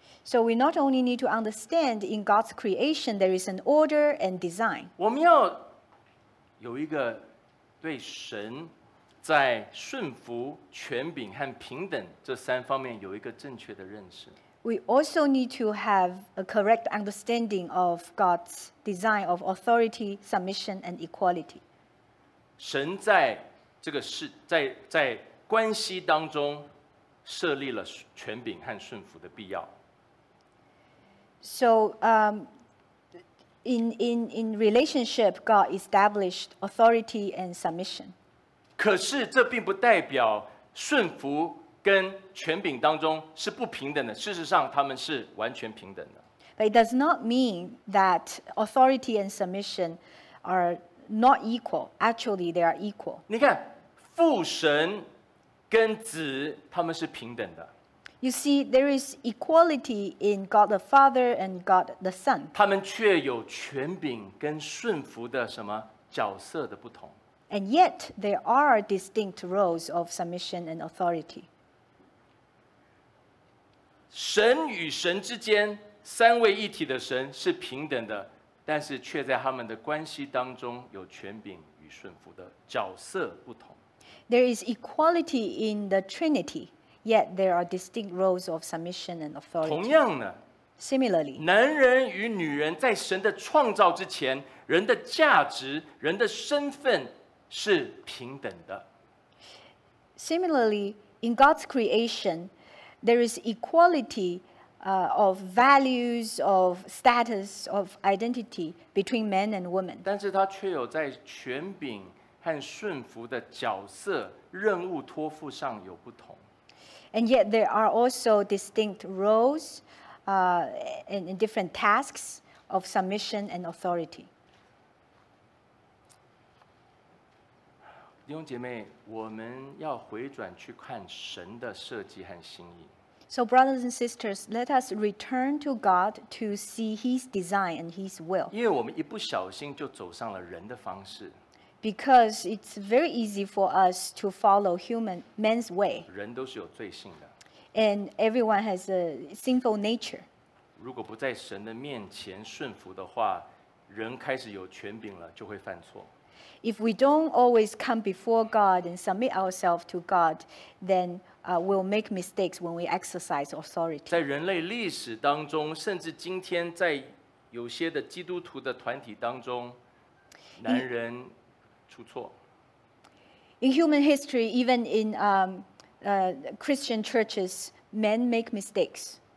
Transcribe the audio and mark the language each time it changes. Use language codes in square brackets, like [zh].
[en] So we not only need to understand in God's creation there is an order and design. [zh] 我们要有一个对神在顺服、权柄和平等这三方面有一个正确的认识。 [en] We also need to have a correct understanding of God's design of authority, submission, and equality. [zh] 神在这个事在关系当中设立了权柄和顺服的必要。 [en] So, in relationship, God established authority and submission. [zh] 可是这并不代表顺服跟权柄当中是不平等的。事实上，他们是完全平等的。 [en] But it does not mean that authority and submission are not equal. Actually, they are equal. [zh] 你看，父神跟子他们是平等的。 [en] You see, there is equality in God the Father and God the Son. [zh] 他们却有权柄跟顺服的什么角色的不同。 [en] And yet, there are distinct roles of submission and authority. [zh] 神与神之间，三位一体的神是平等的，但是却在他们的关系当中有权柄与顺服的角色不同。 [en] There is equality in the Trinity. Yet there are distinct roles of submission and authority. [zh] 同样呢 [en] ，similarly， [zh] 男人与女人在神的创造之前，人的价值、人的身份是平等的。 [en] Similarly, in God's creation, there is equality of values, of status, of identity between men and women. [zh] 但是他却有在权柄和顺服的角色、任务托付上有不同。 [en] And yet there are also distinct roles and different tasks of submission and authority. [zh] 弟兄姐妹，我们要回转去看神的设计和心意。 [en] So brothers and sisters, let us return to God to see His design and His will. [zh] 因为我们一不小心就走上了人的方式。 [en] Because it's very easy for us to follow human man's way. [zh] 人都是有罪性的。 [en] And everyone has a sinful nature. [zh] 如果不在神的面前顺服的话，人开始有权柄了，就会犯错。 [en] If we don't always come before God and submit ourselves to God, then we'll make mistakes when we exercise authority. [zh] 在人类历史当中，甚至今天在有些的基督徒的团体当中，男人出错。 [en] In human history, even in Christian churches, men make mistakes.